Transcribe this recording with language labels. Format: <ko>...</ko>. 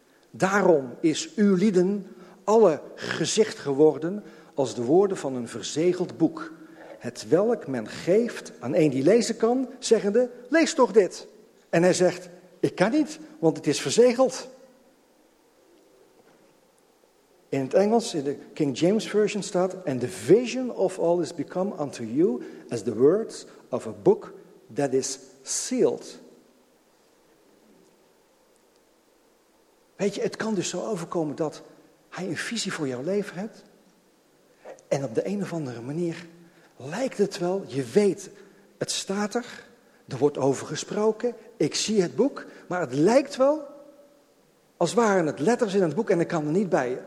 <nl>Daarom is uw lieden alle gezicht geworden als de woorden van een verzegeld boek. Het welk men geeft aan een die lezen kan, zeggende, lees toch dit. En hij zegt, ik kan niet, want het is verzegeld. In het Engels, in de King James Version staat,</nl> <en>and the vision of all is become unto you as the words of a book that is sealed.</en> <nl>Weet je, het kan dus zo overkomen dat hij een visie voor jouw leven hebt, en op de een of andere manier lijkt het wel, je weet, het staat er, er wordt over gesproken, ik zie het boek, maar het lijkt wel, als waren het letters in het boek en ik kan er niet bij.</nl>